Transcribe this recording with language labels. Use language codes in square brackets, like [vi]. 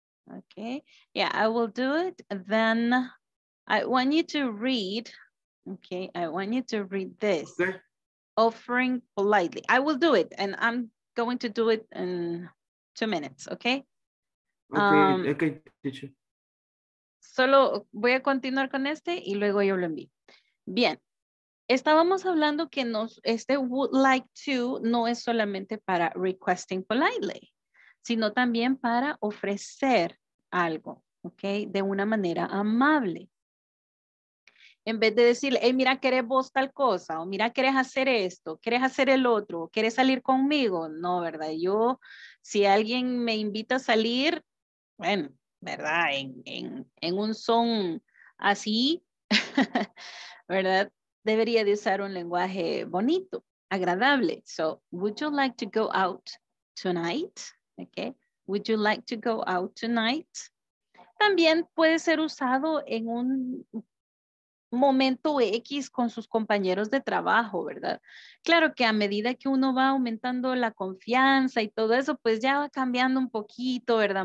[en] Okay, yeah, I will do it. Then I want you to read, okay, I want you to read this. Okay. Offering politely. I will do it and I'm going to do it in 2 minutes, okay? Okay, teacher. [es] Solo voy a continuar con este y luego yo lo envío. Bien, estábamos hablando que este would like to no es solamente para requesting politely, sino también para ofrecer algo, ok, de una manera amable. En vez de decirle, hey, mira, ¿querés vos tal cosa? O mira, ¿querés hacer esto? ¿Querés hacer el otro? ¿Querés salir conmigo? No, ¿verdad? Yo, si alguien me invita a salir, bueno, ¿verdad? En un son así, ¿verdad? Debería de usar un lenguaje bonito, agradable. [en] So, would you like to go out tonight? Ok. Would you like to go out tonight? [es] También puede ser usado en un momento X con sus compañeros de trabajo, ¿verdad? Claro que a medida que uno va aumentando la confianza y todo eso, pues ya va cambiando un poquito, ¿verdad?